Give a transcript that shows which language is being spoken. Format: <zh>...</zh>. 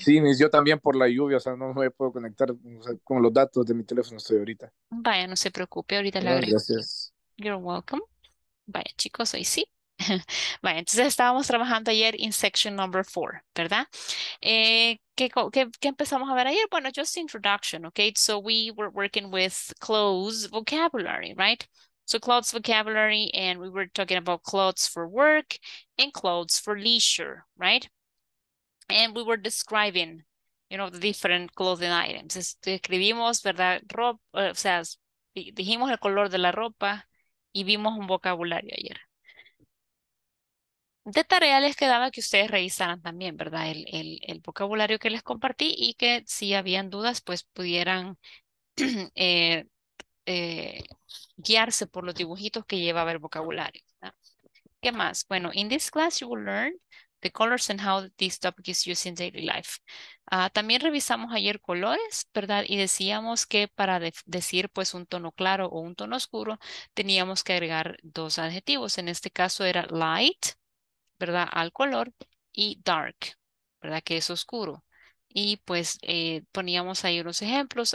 <es>Sí, yo también por la lluvia, o sea, no me puedo conectar, o sea, con los datos de mi teléfono estoy ahorita. Vaya, no se preocupe, ahorita le Ah, agrego. gracias.</es> <en>You're welcome.</en> <es>Vaya, chicos, hoy sí. Vaya, entonces estábamos trabajando ayer en</es> <en>section number 4,</en> <es>¿verdad? ¿Qué empezamos a ver ayer? Bueno,</es> <en>just introduction, okay? So we were working with Claude's vocabulary, right? So Claude's vocabulary, and we were talking about clothes for work and clothes for leisure, right? And we were describing, you know, the different clothing items.</en> <es>Escribimos, ¿verdad? Ropa, o sea, dijimos el color de la ropa y vimos un vocabulario ayer. De tarea les quedaba que ustedes revisaran también, ¿verdad? El vocabulario que les compartí y que si habían dudas, pues pudieran guiarse por los dibujitos que llevaba el vocabulario, ¿verdad? ¿Qué más? Bueno,</es> <en>in this class you will learn the colors and how this topic is used in daily life.</en> <es>También revisamos ayer colores, ¿verdad? Y decíamos que para decir pues un tono claro o un tono oscuro, teníamos que agregar dos adjetivos. En este caso era light, ¿verdad? Al color, y dark, ¿verdad? Que es oscuro. Y pues poníamos ahí unos ejemplos.</es>